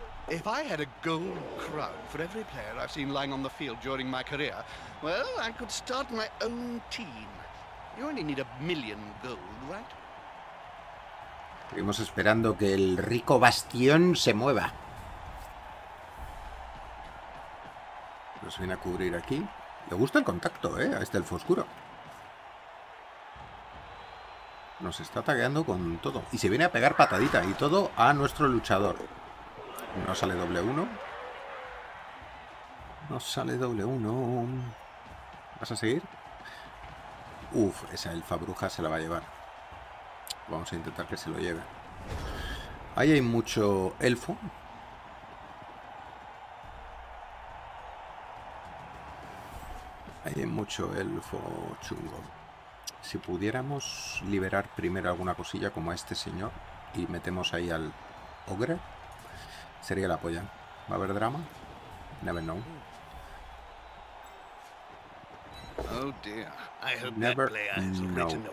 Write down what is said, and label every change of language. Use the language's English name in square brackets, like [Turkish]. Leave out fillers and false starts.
[English] If I had a gold crown for every player I've seen lying on the field during my career, well, I could start my own team. You only need a million gold, right? [Spanish] Seguimos esperando que el rico bastión se mueva. Nos viene a cubrir aquí. Le gusta el contacto, a este elfo oscuro. Nos está tagueando con todo. Y se viene a pegar patadita y todo a nuestro luchador. No sale doble uno. No sale doble uno. ¿Vas a seguir? Uf, esa elfa bruja se la va a llevar. Vamos a intentar que se lo lleve. Ahí hay mucho elfo. Ahí hay mucho elfo chungo. Si pudiéramos liberar primero alguna cosilla como a este señor y metemos ahí al ogre, sería la polla. ¿Va a haber drama? [English] Never know. Oh dear. I hope never know.